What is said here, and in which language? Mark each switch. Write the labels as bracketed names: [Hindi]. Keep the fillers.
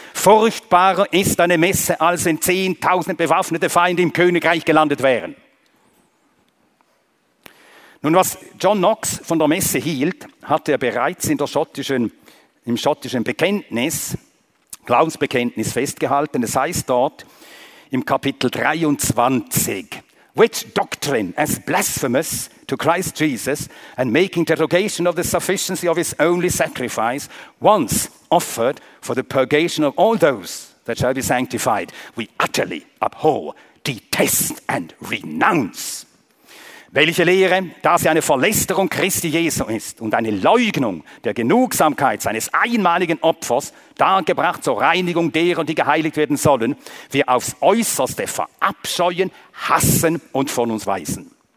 [German] Furchtbarer ist eine Messe, als wenn zehntausend bewaffnete Feinde im Königreich gelandet wären. Nun, was John Knox von der Messe hielt, hatte er bereits in der schottischen, im schottischen Bekenntnis, Glaubensbekenntnis festgehalten. [English] Es heißt dort im Kapitel 23, which doctrine as blasphemous to Christ Jesus and making derogation of the sufficiency of his only sacrifice once offered for the purgation of all those that shall be sanctified, we utterly abhor, detest and renounce. [German] Welche Lehre, da sie eine Verlästerung Christi Jesu ist und eine Leugnung der Genugsamkeit seines einmaligen Opfers, dargebracht zur Reinigung derer, die geheiligt werden sollen, wir aufs Äußerste verabscheuen, hassen und von uns weisen.